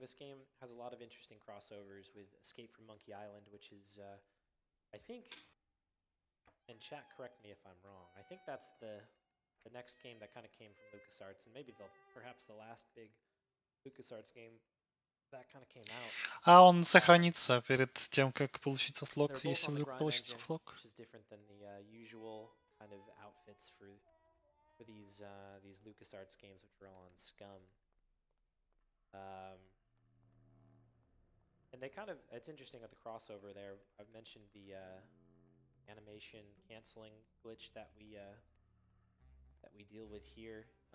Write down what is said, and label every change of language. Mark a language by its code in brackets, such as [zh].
[en] This game has a lot of interesting crossovers with Escape from Monkey Island, which is, I think, and chat, correct me if I'm wrong, I think that's the next game that kind of came from LucasArts, and maybe perhaps the last big LucasArts game that kind of came out. [ru] А он сохранится перед тем, как получить софтлок, если вдруг получится софтлок. [en] Which is different than the usual kind of outfits for these LucasArts games, which were all on Scum. And they kind of, it's interesting at the crossover there, I've mentioned the animation canceling glitch that we deal with here.